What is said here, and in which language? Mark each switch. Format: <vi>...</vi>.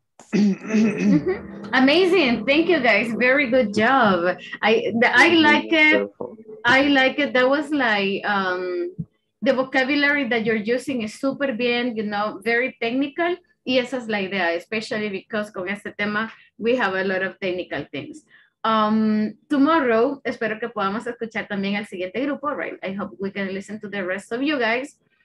<en>Amazing, thank you guys, very good job. I like it. That was like the vocabulary that you're using is</en> <es>super bien,</es> <en>you know, very technical,</en> <es>y esa es la idea,</es> <en>especially because</en> <es>con este tema</es> <en>we have a lot of technical things. Tomorrow</en> <es>espero que podamos escuchar también al siguiente grupo,</es> <en>right? I hope we can listen to the rest of you guys.</en>